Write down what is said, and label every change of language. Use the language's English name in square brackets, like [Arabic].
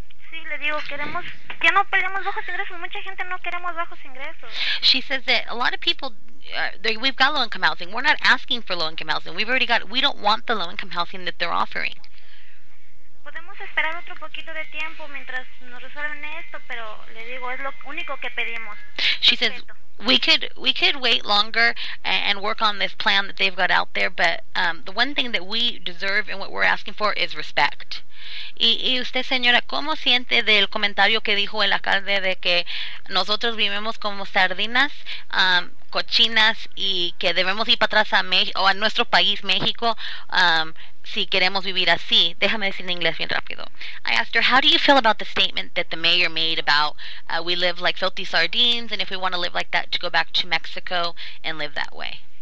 [Spanish] Sí, le digo, queremos, ya no peleamos bajos ingresos. Mucha gente no queremos bajos ingresos. [English] She says that a lot of people, we've got low-income housing. We're not asking for low-income housing. We don't want the low-income housing that they're offering. [Spanish] Podemos esperar otro poquito de tiempo mientras nos resuelven esto, pero le digo, es lo único que pedimos. [English] She says, We could wait longer and work on this plan that they've got out there, but the one thing that we deserve and what we're asking for is respect. [Spanish] Y usted, señora, ¿cómo siente del comentario que dijo el alcalde de que nosotros vivimos como sardinas, cochinas, y que debemos ir para atrás a nuestro país, México, si queremos vivir así? Déjame decir en inglés bien rápido. [English] I asked her, how do you feel about the statement that the mayor made about we live like filthy sardines, and if we want to live like that, to go back to Mexico and live that way?